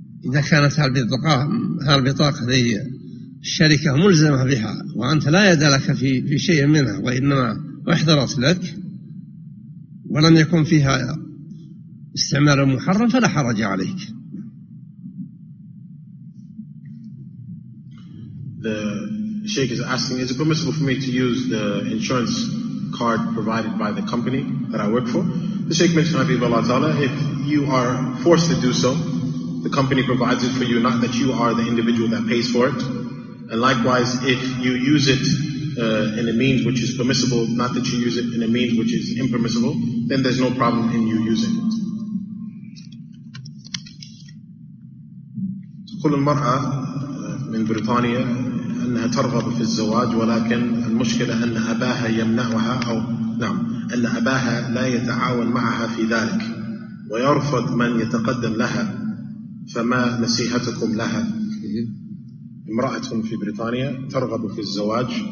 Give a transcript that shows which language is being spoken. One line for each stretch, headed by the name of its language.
Arabic: إذا كانت هالبطاقة هي الشركة ملزمة بها وأنت لا يد لك في شيء منها، وإنما أحضرت لك ولم يكن فيها استعمال محرم، فلا حرج عليك.
English: The Sheikh is asking, is it permissible for me to use the insurance card provided by the company that I work for? The Sheikh mentioned, Habib Allah Ta'ala, if you are forced to do so, the company provides it for you, not that you are the individual that pays for it. And likewise, if you use it in a means which is permissible, not that you use it in a means which is impermissible, then there's no problem in you using it.
Arabic: تقول المرأة من بريطانيا أنها ترغب في الزواج، ولكن المشكلة أن أباها يمنعها، أو نعم، أن أباها لا يتعاون معها في ذلك ويرفض من يتقدم لها، فما نصيحتكم لها؟ امرأة في بريطانيا ترغب في الزواج،